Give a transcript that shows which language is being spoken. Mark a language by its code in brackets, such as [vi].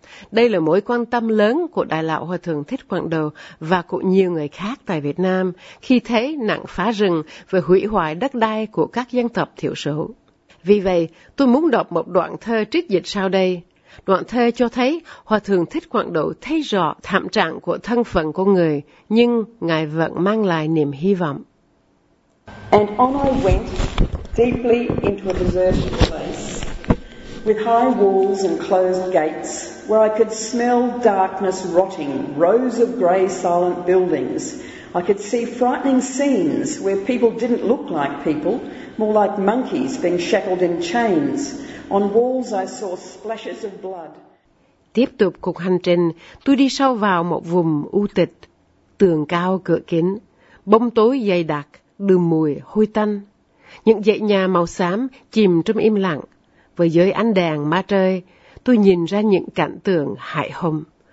[vi] Đây là mối quan tâm lớn của Đại Lão Hòa Thượng Thích Quảng Đầu và của nhiều người khác tại Việt Nam khi thấy nạn phá rừng và hủy hoại đất đai của các dân tộc thiểu số. Vì vậy, tôi muốn đọc một đoạn thơ trích dịch sau đây. Đoạn thơ cho thấy Hòa Thượng Thích Quảng Đầu thấy rõ thảm trạng của thân phận con người, nhưng Ngài vẫn mang lại niềm hy vọng. [en] And on I went deeply into a deserted place with high walls and closed gates where I could smell darkness rotting, rows of grey silent buildings. I could see frightening scenes where people didn't look like people, more like monkeys being shackled in chains. On walls I saw splashes of blood. [vi] Tiếp tục cuộc hành trình, tôi đi sâu vào một vùng u tịch, tường cao cửa kính, bóng tối dày đặc, đường mùi hôi tanh, những dãy nhà màu xám chìm trong im lặng. Với dưới ánh đèn ma trời, tôi nhìn ra những cảnh tượng hại hùng.